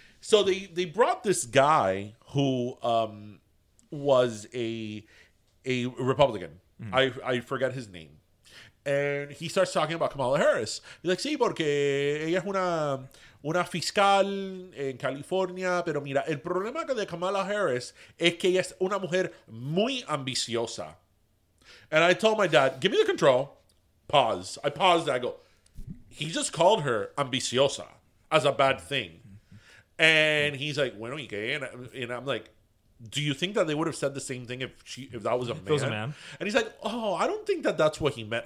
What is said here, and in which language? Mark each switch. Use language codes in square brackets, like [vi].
[en] So they brought this guy who was a Republican. I forget his name. And he starts talking about Kamala Harris. He's like, [es] sí, porque ella es una fiscal en California, pero mira, el problema de Kamala Harris es que ella es una mujer muy ambiciosa. [en] And I told my dad, give me the control. Pause. I paused. I go, he just called her ambiciosa as a bad thing. And he's like, [es] bueno, ¿y qué? [en] And I'm like, do you think that they would have said the same thing if that was a man? It was a man. And he's like, oh, I don't think that that's what he meant.